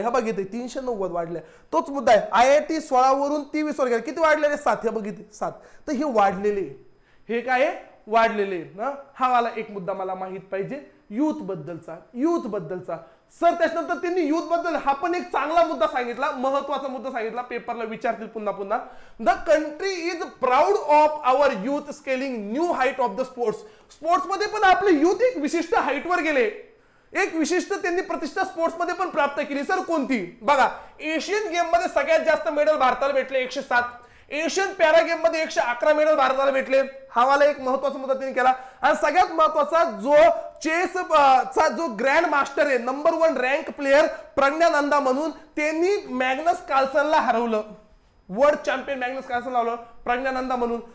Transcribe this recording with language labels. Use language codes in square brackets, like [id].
[mr] हा बघित 390 वाढल्या, तोच मुद्दा आहे। IIT 16 वरून 23 वर गेले, किती वाढले रे? 7। हे बघित 7, तर हे वाढलेले, हे काय वाढलेले ना। हा वाला एक मुद्दा मला माहित पाहिजे यूथ बद्दलचा, यूथ बद्दलचा। सर त्याच्यानंतर त्यांनी यूथ बद्दल हा पण एक चांगला मुद्दा सांगितला, महत्वाचा मुद्दा सांगितला, पेपरला विचारतील पुन्हा पुन्हा। [en] The country is proud of our youth scaling new height of the sports. [mr] Sports मध्ये पण आपले यूथ एक विशिष्ट हाईट वर गेले, एक विशिष्ट त्यांनी प्रतिष्ठा स्पोर्ट्स मध्ये पण प्राप्त केली। सर कोणती? बघा, एशियन गेम मध्ये सगळ्यात जास्त मेडल भारताला भेटले 107, एशियन पॅरा गेम मध्ये 111 मेडल भारताला भेटले। हा वाला एक महत्वाचा मुद्दा त्यांनी केला। आणि सगळ्यात महत्वाचा, जो चेस चा जो ग्रँड मास्टर आहे, नंबर 1 रँक प्लेयर प्रज्ञानंदा म्हणून, त्यांनी मॅग्नस कार्लसनला हरवलं, वर्ल्ड चॅम्पियन मॅग्नस कार्लसन लावलं प्रज्ञानंदा म्हणून।